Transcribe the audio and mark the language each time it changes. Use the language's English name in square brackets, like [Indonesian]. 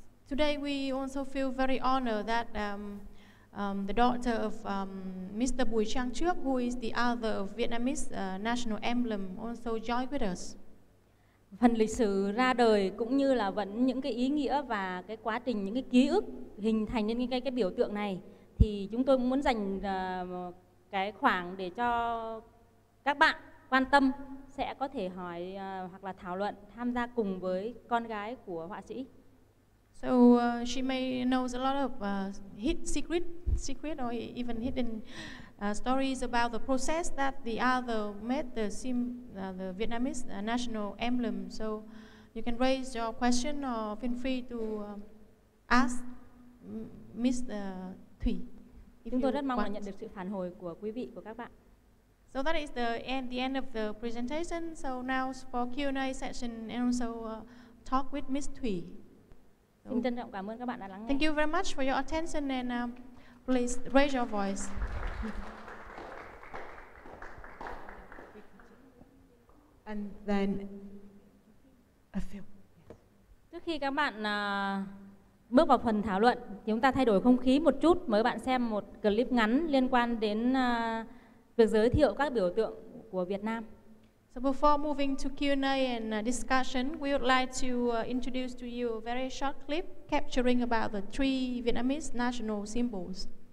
[English] Today we also feel very honored that the daughter of Mr. Bùi Trang Trước, who is the author of Vietnamese national emblem, also joined with us. [Vietnamese] Phần lịch sử ra đời cũng như là vẫn những cái ý nghĩa và cái quá trình, những cái ký ức hình thành nên cái biểu tượng này, thì chúng tôi muốn dành cái khoảng để cho các bạn quan tâm sẽ có thể hỏi hoặc là thảo luận, tham gia cùng với con gái của họa sĩ. [English] So she may knows a lot of hidden secret or even hidden stories about the process that the other made the Vietnamese national emblem. So you can raise your question or feel free to ask Miss Thủy. [Vietnamese] Chúng tôi rất mong là nhận được sự phản hồi của quý vị, của các bạn. [English] So that is the end of the presentation. So now for Q&A session and also talk with Miss Thủy. [Vietnamese] Xin trân trọng cảm ơn các bạn đã lắng nghe. [English] Thank you very much for your attention and please raise your voice. And then a few. [Vietnamese] Trước khi các bạn bước vào phần thảo luận, chúng ta thay đổi không khí một chút, mời bạn xem một clip ngắn liên quan đến việc giới thiệu các biểu tượng của Việt Nam. [English] So before moving to Q&A and discussion, we would like to introduce to you a very short clip capturing about the three Vietnamese national symbols.